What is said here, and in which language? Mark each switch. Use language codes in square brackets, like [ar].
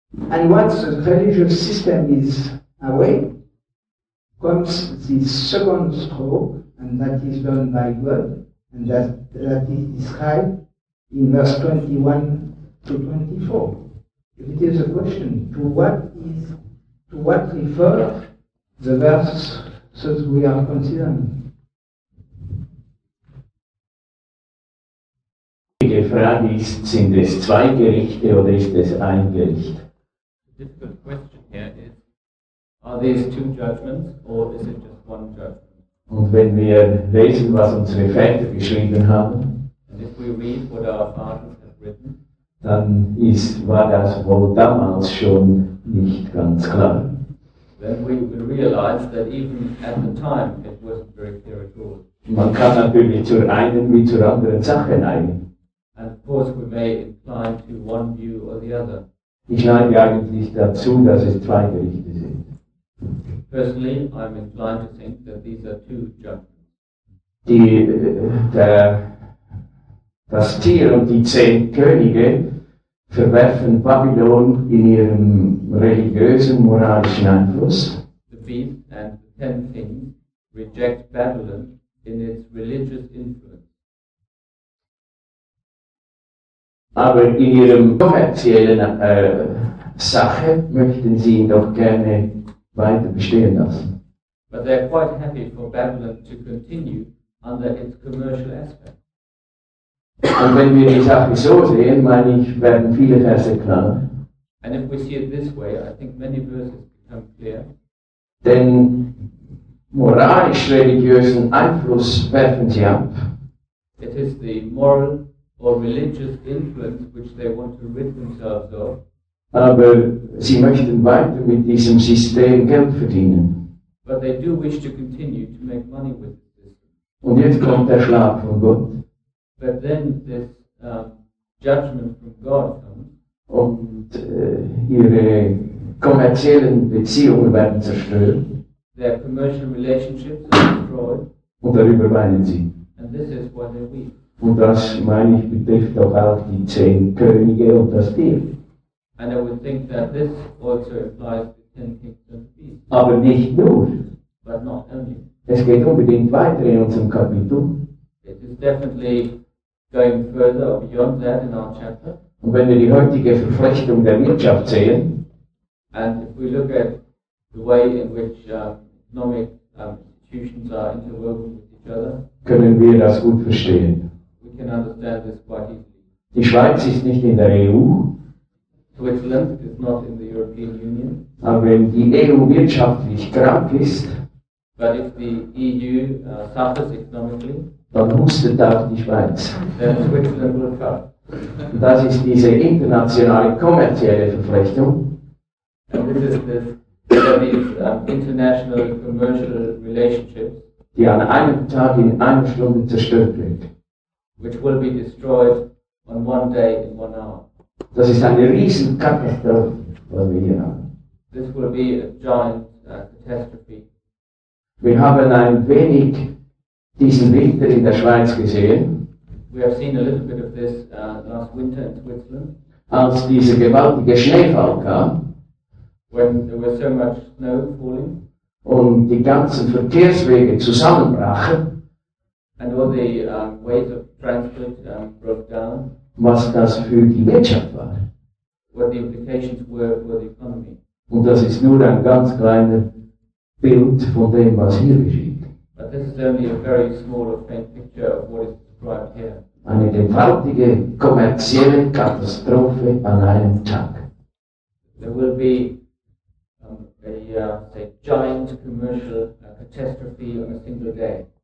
[en] And once the religious system is away, comes the second stroke, and that is done by God, and that is described in verse 21-24. It is a question, to what refer the verse since we are considering. [de] Die wichtige Frage ist, sind es zwei Gerichte oder ist es ein Gericht? [en] The difficult question here is, are these two judgments or is it just one judgment? [de] Und wenn wir lesen, was unsere Väter geschrieben haben, [en] and if we read what our fathers have written, [de] dann war das wohl damals schon nicht ganz klar. [en] Then we would realize that even at the time it wasn't very clear at all. [de] Man kann natürlich zur einen wie zur anderen Sache neigen. [en] And of course we may incline to one view or the other. [de] Ich neige eigentlich dazu, dass es zwei Gerichte sind. [en] Personally, I'm inclined to think that these are two judgments. [de] Der dass Tyr und die 10 Könige verwerfen Babylon in ihrem religiösen, moralischen Einfluss. [en] The beast and the 10 kings reject Babylon in its religious influence. [de] Aber in ihrem kommerziellen Sache möchten sie ihn doch gerne weiter bestehen lassen. [en] But they're quite happy for Babylon to continue under its commercial aspect. [de] Und wenn wir die Sache so sehen, meine ich, werden viele Verse klar. [en] And if we see it this way, I think many verses become clear. [de] Denn moralisch-religiösen Einfluss werfen sie ab. [en] It is the moral or religious influence which they want to rid themselves of. [de] Aber sie möchten weiter mit diesem System Geld verdienen. [en] But they do wish to continue to make money with the system. [de] Und jetzt kommt der Schlag von Gott. [en] But then this judgment from God comes. [de] Und ihre kommerziellen Beziehungen werden zerstört. [en] Their commercial relationships are destroyed. [de] Und darüber weinen sie. [en] And this is why they weep. [de] Und das, meine ich, betrifft auch die 10 Könige und das Tier. [en] And I would think that this also applies to 10 kings and beasts. [de] Aber nicht nur. [en] But not only. [de] Es geht unbedingt weiter in unserem Kapitel. [en] It is definitely going further or beyond that in our chapter. [de] Und wenn wir die heutige Verflechtung der Wirtschaft sehen, [en] and if we look at the way in which economic institutions are interwoven with each other, [de] können wir das gut verstehen. [en] We can understand this quite easily. [de] Die Schweiz ist nicht in der EU. [en] Switzerland is not in the European Union. [de] Aber wenn die EU wirtschaftlich krank ist, [en] but if the EU suffers economically, [de] dann hustet auch die Schweiz. [en] Then Switzerland will come. [de] Das ist diese internationale kommerzielle Verflechtung. [en] And this is this, international commercial relationships, [de] die an einem Tag in einer Stunde zerstört wird. [en] Which will be destroyed on one day in one hour. [de] Das ist eine riesen Katastrophe, was wir hier haben. [en] This will be a giant catastrophe. [de] Wir haben ein wenig diesen Winter in der Schweiz gesehen. [en] We have seen a little bit of this last winter in Switzerland. [de] Als dieser gewaltige Schneefall kam. [en] When there was so much snow falling. [de] Und die ganzen Verkehrswege zusammenbrachen. [en] And all the ways of transport broke down. [de] Was das für die Wirtschaft war. [en] What the implications were for the economy. [de] Und das ist nur ein ganz kleines Bild von dem, was hier geschieht. [en] But this is only a very small or faint picture of what is described here. [de] Eine gewaltige kommerzielle Katastrophe an einem Tag. [en] There will be a giant commercial catastrophe on a single day.